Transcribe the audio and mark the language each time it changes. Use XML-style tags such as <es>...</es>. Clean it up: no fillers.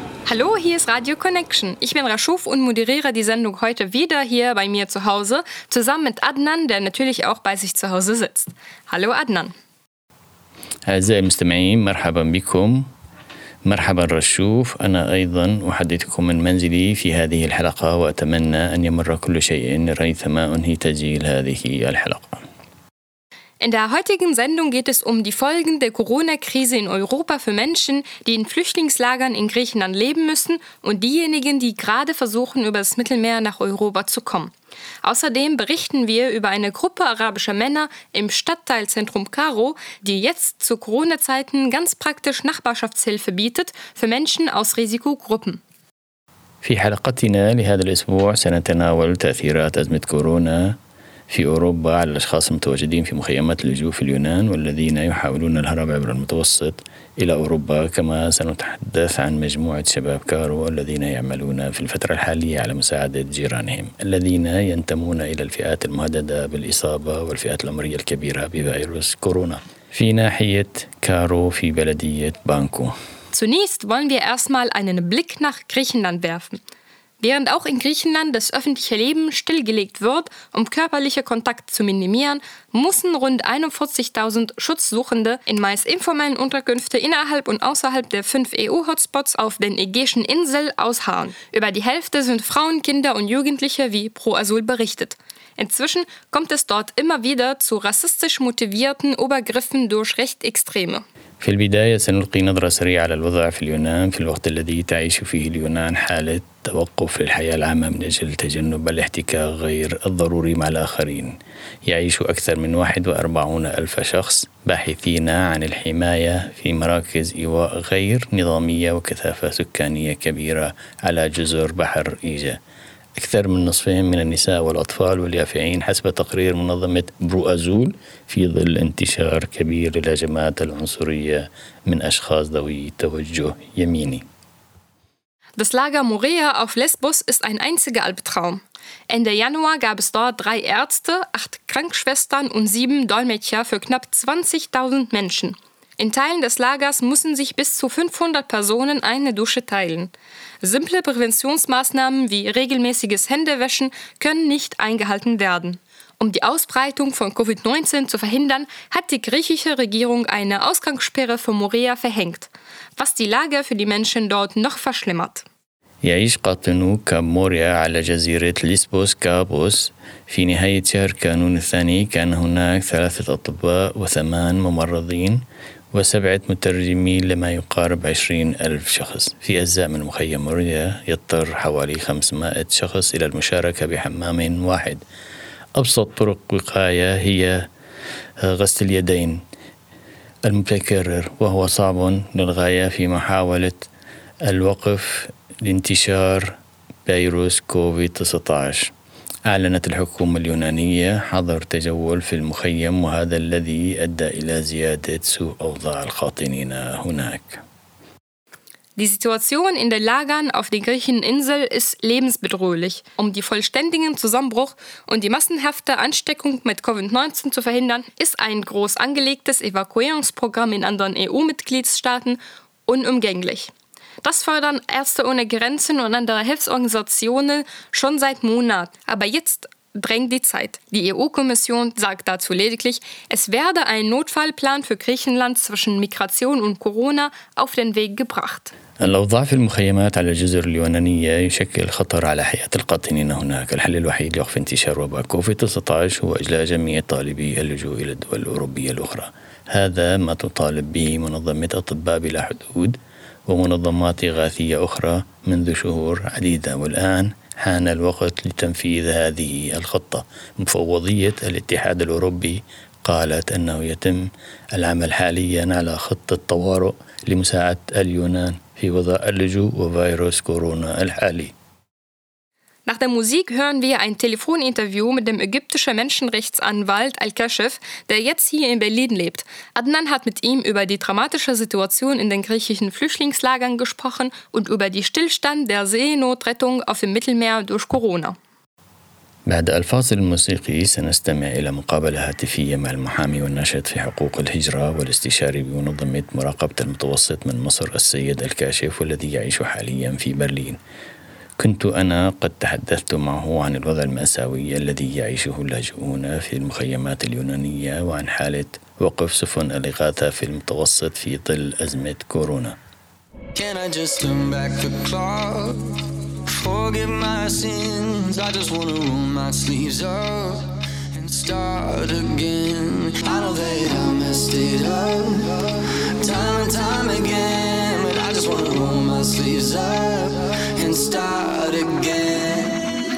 <de>Hallo, hier ist Radio Connection. Ich bin Rashouf und moderiere die Sendung heute wieder hier bei mir zu Hause, zusammen mit Adnan, der natürlich auch bei sich zu Hause sitzt. Hallo Adnan.</de> <ar>أعزائي المستمعين مرحبا بكم مرحبا رشوف أنا أيضا أحدثكم من منزلي في هذه الحلقة وأتمنى أن يمر كل شيء ريثما أنهي تسجيل هذه الحلقة.</ar> <de>In der heutigen Sendung geht es um die Folgen der Corona-Krise in Europa für Menschen, die in Flüchtlingslagern in Griechenland leben müssen und diejenigen, die gerade versuchen, über das Mittelmeer nach Europa zu kommen. Außerdem berichten wir über eine Gruppe arabischer Männer im Stadtteil Zentrum Karo, die jetzt zu Corona-Zeiten ganz praktisch Nachbarschaftshilfe bietet für Menschen aus Risikogruppen.</de> <ar>في حلقتنا لهذا الأسبوع سنتناول تأثيرات أزمة كورونا في أوروبا على الأشخاص المتواجدين في مخيمات اللجوء في اليونان والذين يحاولون الهرب عبر المتوسط إلى أوروبا كما سنتحدث عن مجموعة شباب كارو الذين يعملون في الفترة الحالية على مساعدة جيرانهم الذين ينتمون إلى الفئات المهددة بالإصابة والفئات العمرية الكبيرة بفيروس كورونا في ناحية كارو في بلدية بانكو.</ar> <de>Zunächst wollen wir erstmal einen Blick nach Griechenland werfen. Während auch in Griechenland das öffentliche Leben stillgelegt wird, um körperliche Kontakt zu minimieren, mussten rund 41.000 Schutzsuchende in meist informellen Unterkünfte innerhalb und außerhalb der 5 EU-Hotspots auf den Ägäischen Inseln ausharren. Über die Hälfte sind Frauen, Kinder und Jugendliche, wie Pro Asyl berichtet. Inzwischen kommt es dort immer wieder zu rassistisch motivierten Übergriffen durch Rechtsextreme.</de> <ar>في البداية سنلقي نظرة سريعة على الوضع في اليونان في الوقت الذي تعيش فيه اليونان حالة توقف للحياة العامة من أجل تجنب الاحتكاك غير الضروري مع الآخرين يعيش أكثر من 41,000 شخص باحثين عن الحماية في مراكز إيواء غير نظامية وكثافة سكانية كبيرة على جزر بحر إيجا أكثر من نصفهم من النساء والأطفال واليافعين حسب تقرير منظمة برو أزول في ظل انتشار كبير للهجمات العنصرية من أشخاص ذوي توجه يميني.</ar> <de>Das Lager Moria auf Lesbos ist ein einziger Albtraum. Ende Januar gab es dort 3 Ärzte, 8 Krankenschwestern und 7 Dolmetscher für knapp 20.000 Menschen. In Teilen des Lagers müssen sich bis zu 500 Personen eine Dusche teilen. Simple Präventionsmaßnahmen wie regelmäßiges Händewaschen können nicht eingehalten werden. Um die Ausbreitung von Covid-19 zu verhindern, hat die griechische Regierung eine Ausgangssperre für Moria verhängt, was die Lage für die Menschen dort noch verschlimmert.</de> <ar>يعيش قاطنو كاب موريا على جزيرة ليسبوس كابوس. في نهاية شهر كانون الثاني كان هناك 3 أطباء و8 ممرضين و7 مترجمين لما يقارب 20,000 شخص. في أجزاء من مخيم موريا يضطر حوالي 500 شخص إلى المشاركة بحمام واحد. أبسط طرق وقاية هي غسل اليدين المتكرر وهو صعب للغاية في محاولة الوقف لانتشار فيروس كوفيد-19 أعلنت الحكومة اليونانية حظر تجول في المخيم وهذا الذي أدى إلى زيادة سوء أوضاع القاطنين هناك.</ar> <de>Die Situation in den Lagern auf der griechischen Insel ist lebensbedrohlich. Um den vollständigen Zusammenbruch und die massenhafte Ansteckung mit Covid-19 zu verhindern, ist ein groß angelegtes Evakuierungsprogramm in anderen EU-Mitgliedstaaten unumgänglich. Das fordern Ärzte ohne Grenzen und andere Hilfsorganisationen schon seit Monaten. Aber jetzt drängt die Zeit. Die EU-Kommission sagt dazu lediglich, es werde ein Notfallplan für Griechenland zwischen Migration und Corona auf den Weg gebracht.</de> <ar>الأوضاع في المخيمات على الجزر اليونانية يشكل خطر على حياة القاطنين هناك. الحل الوحيد لوقف انتشار وباء كوفيد 19 هو إجلاء جميع طالبي اللجوء إلى الدول الأوروبية الأخرى. هذا ما تطالب به منظمة أطباء بلا حدود ومنظمات إغاثية أخرى منذ شهور عديدة، والآن حان الوقت لتنفيذ هذه الخطة. مفوضية الاتحاد الأوروبي قالت أنه يتم العمل حاليا على خطة طوارئ لمساعدة اليونان في وضع اللجوء وفيروس كورونا الحالي.</ar> <de>Nach der Musik hören wir ein Telefoninterview mit dem ägyptischen Menschenrechtsanwalt Al-Kashif, der jetzt hier in Berlin lebt. Adnan hat mit ihm über die dramatische Situation in den griechischen Flüchtlingslagern gesprochen und über den Stillstand der Seenotrettung auf dem Mittelmeer durch Corona.</de> <ar>بعد الفاصل الموسيقي سنستمع إلى مقابلة هاتفية مع المحامي والناشط في حقوق الهجرة والاستشاري بمنظمة مراقبة المتوسط من مصر السيد الكاشف والذي يعيش حاليا في برلين. كنت أنا قد تحدثت معه عن الوضع المأساوي الذي يعيشه اللاجئون في المخيمات اليونانية وعن حالة وقف سفن الإغاثة في المتوسط في ظل أزمة كورونا.</ar> <en>Can I just turn back the clock? Forgive my sins, I just wanna roll my sleeves up and start again. I know that I messed it up time and time again, but I just wanna roll my sleeves up and start again.</en>